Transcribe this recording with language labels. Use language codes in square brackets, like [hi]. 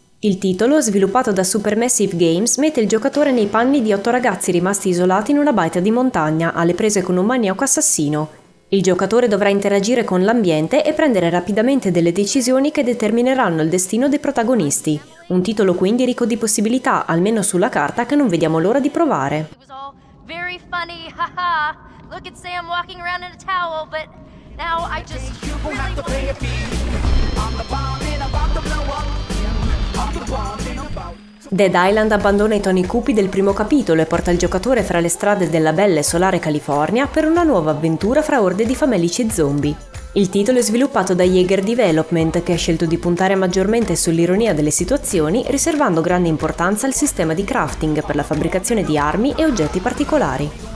[it] Il titolo, sviluppato da Supermassive Games, mette il giocatore nei panni di 8 ragazzi rimasti isolati in una baita di montagna, alle prese con un maniaco assassino. Il giocatore dovrà interagire con l'ambiente e prendere rapidamente delle decisioni che determineranno il destino dei protagonisti. Un titolo quindi ricco di possibilità, almeno sulla carta, che non vediamo l'ora di provare. [en] Very funny, haha. Look at Sam walking around in a towel, but now I just really want to pay a fee. I'm the bomb and I'm about to blow up. I'm the bomb and I'm about. [it] Dead Island abbandona i toni cupi del primo capitolo e porta il giocatore fra le strade della bella e solare California per una nuova avventura fra orde di famelici zombie. Il titolo è sviluppato da Jaeger Development, che ha scelto di puntare maggiormente sull'ironia delle situazioni, riservando grande importanza al sistema di crafting per la fabbricazione di armi e oggetti particolari.